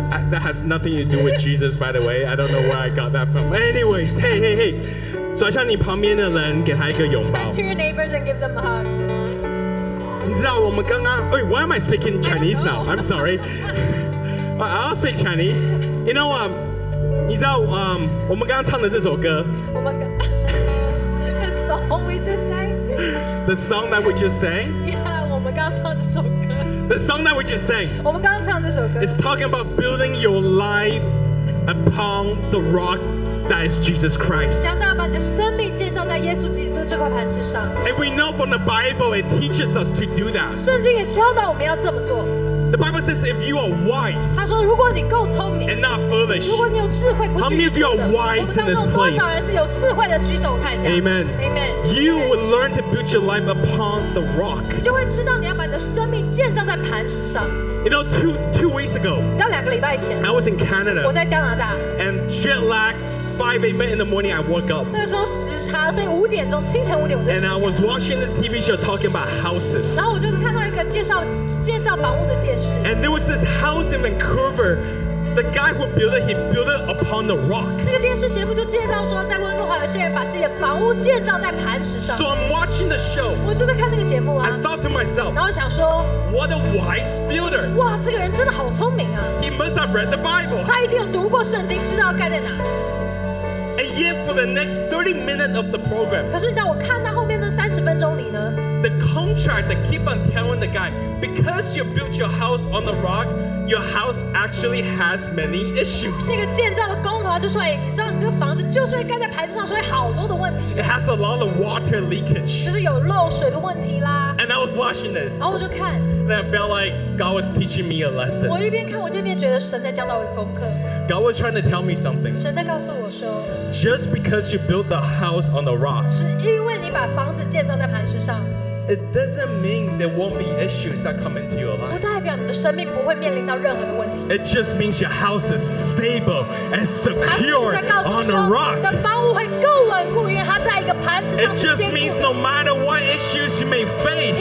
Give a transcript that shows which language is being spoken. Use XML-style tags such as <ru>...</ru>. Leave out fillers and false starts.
<en>That has nothing to do with Jesus, by the way. I don't know where I got that from. Anyways, hey, hey, hey.</en> <zh>转向你旁边的人，给他一个拥抱。</zh> <en>Turn to your neighbors and give them a hug.</en> <zh>你知道我们刚刚？哎</zh> <en>，Why am I speaking Chinese now? I'm sorry. I'll speak Chinese. You know what?</en> <zh>你知道我们刚刚唱的这首歌</zh> <en>？The song we just sang. The song that we just sang.</en> <zh>Yeah, 我们刚刚唱这首歌。</zh> <en>The song that we just sang.</en> <zh>我们刚刚唱这首歌。</zh> <en>It's talking about building your life upon the rock that is Jesus Christ.</en> <zh>将大把你的生命建造在耶稣基督这块磐石上。</zh> <en>And we know from the Bible, it teaches us to do that.</en> <zh>圣经也教导我们要这么做。</zh> <en>The Bible says if you are wise,</en> <zh>他说如果你够聪明</zh> <en>and not foolish,</en> <zh>如果你有智慧不是愚蠢的</zh> <en>how many of you are wise in this place?</en> <zh>我们当中多少人是有智慧的举手我看一下</zh> <en>Amen. Amen. You will learn to build your life upon the rock.</en> <zh>你就会知道你要把你的生命建造在磐石上</zh> <en>You know, two weeks ago,</en> <zh>你知道两个礼拜前</zh> <en>I was in Canada,</en> <zh>我在加拿大</zh> <en>and jet lag 5:00 a.m. in the morning I woke up.</en> <zh>那个时候时差所以五点钟清晨五点我就</zh> <en>醒 and I was watching this TV show talking about houses.</en> <zh>然后我就是看到一个介绍建造房屋的电视</zh> <en>and there was this house in Vancouver. The guy who built it, he built it upon the rock.</en> <zh>那个电视节目就介绍说，在温哥华有些人把自己的房屋建造在磐石上。</zh> <en>So I'm watching the show.</en> <zh>我就在看那个节目啊。</zh> <en>I thought to myself.</en> <zh>然后想说</zh> <en>，What a wise builder!</en> <zh>哇，这个人真的好聪明啊。</zh> <en>He must have read the Bible.</en> <zh>他一定有读过圣经，知道该在哪。</zh> <en>And yet, for the next 30 minutes of the program,</en> <zh>可是你知道我看到后面那30分钟里呢</zh> <en>？The contractor keep on telling the guy, because you built your house on the rock, your house actually has many issues.</en> <zh>那个建造的工头就说：“哎，你知道你这个房子就是会盖在牌子上，所以好多的问题。</zh> <en>It has a lot of water leakage.</en> <zh>就是有漏水的问题啦。</zh> <en>And I was watching this.</en> <zh>然后我就看。</zh> <en>And I felt like God was teaching me a lesson.</en> <zh>我一边看，我就一边觉得神在教导我功课。</zh> <en>God was trying to tell me something.</en> <zh>神在告诉我说</zh> <en>，Just because you built the house on the rock,</en> <zh>是因为你把房子建造在磐石上</zh> <en>，It doesn't mean there won't be issues that come into your life.</en> <zh>不代表你的生命不会面临到任何的问题。</zh> <en>It just means your house is stable and secure on the rock.</en> <zh>你的房屋会够稳固，因为它在一个磐石上。</zh> <en>It just means no matter what issues you may face,</en>